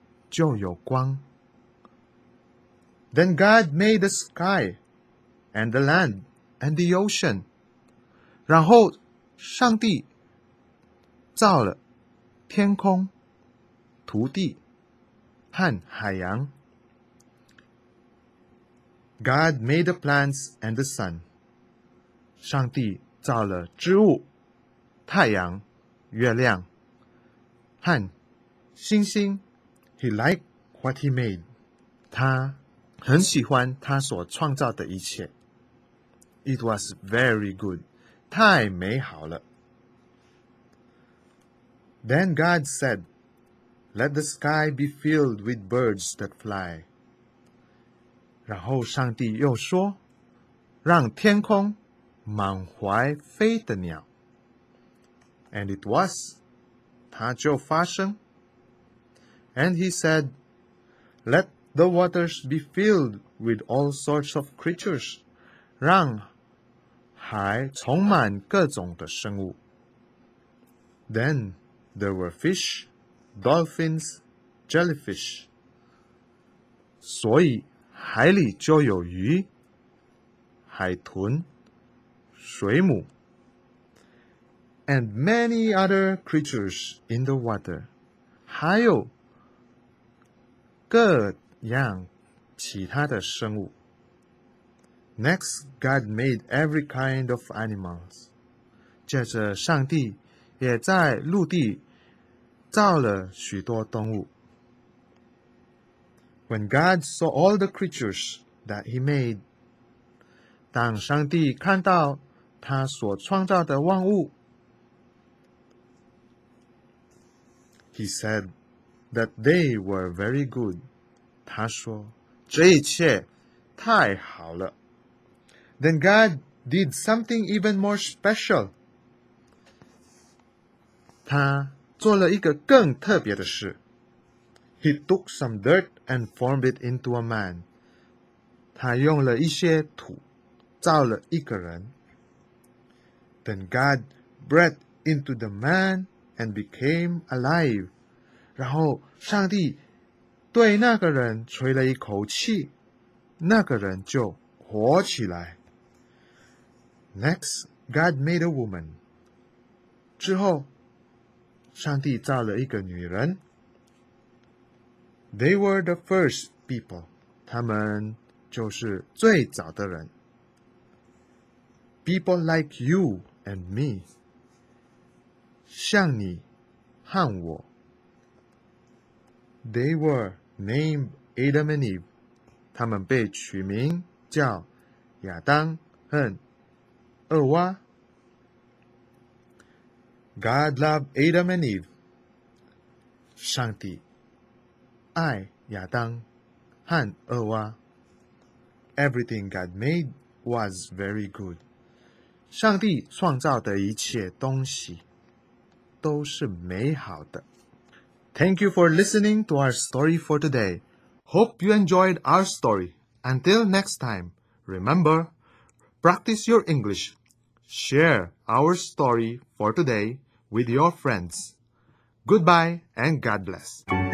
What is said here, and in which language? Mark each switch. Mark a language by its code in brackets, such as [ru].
[zh] 就有光 [en] Then God made the sky and the land and the ocean. [zh] 然后上帝造了天空、土地和海洋。 [en] God made the plants and the sun. [zh] 上帝造了植物、太阳、月亮和星星。 [en] He liked what he made. [zh] 他很喜欢他所创造的一切。 [en] It was very good. [zh] 太美好了。 [en] Then God said, Let the sky be filled with birds that fly. [zh] 然后上帝又说，让天空满怀飞的鸟。 [en] And it was, [zh] 它就发生。 [en] And he said, Let the waters be filled with all sorts of creatures, [zh] 让海充满各种的生物。 [en] Then there were fish, dolphins, jellyfish. [zh] 所以海里就有鱼、海豚、水母。 [en] And many other creatures in the water. [zh] 还有各样其他的生物。 [en] Next, God made every kind of animals. [zh] 接着上帝也在陆地造了许多动物。 [en] When God saw all the creatures that he made, [zh] 当上帝看到他所创造的万物， [en] He said that they were very good. [zh] 他说，这一切太好了。 [en] Then God did something even more special. [zh] 他做了一个更特别的事。 [en] He took some dirt and formed it into a man. [zh] 他用了一些土造了一个人。 [en] Then God breathed into the man and became alive. [zh] 然后上帝对那个人吹了一口气，那个人就活起来。 [en] Next, God made a woman. [zh] 之后，上帝造了一个女人。 [en] They were the first people. [zh] 他们就是最早的人。 [en] People like you and me. [zh] 像你和我。 [en] They were named Adam and Eve. [zh] 他们被取名叫亚当和二娃。 [en] God loved Adam and Eve. [zh] 上帝爱亚当和二娃。 [en] Everything God made was very good. [zh] 上帝创造的一切东西都是美好的。 [en] Thank you for listening to our story for today. Hope you enjoyed our story. Until next time, remember, practice your English. Share our story for today with your friends. Goodbye and God bless.